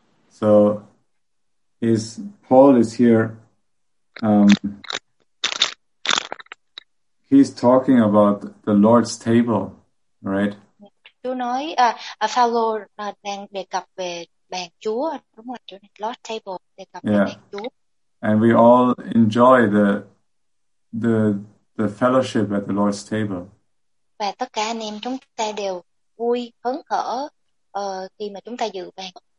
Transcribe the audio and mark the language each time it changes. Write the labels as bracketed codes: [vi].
[en] So, Paul is here. He's talking about the Lord's table, right? [vi] Chú nói, Phaolô đang đề cập về bàn Chúa, đúng rồi, chú nói Lord's table, đề cập về bàn Chúa. [en] And we all enjoy the fellowship at the Lord's table. [vi] Và tất cả anh em chúng ta đều vui hớn hở khi mà chúng ta dự bàn.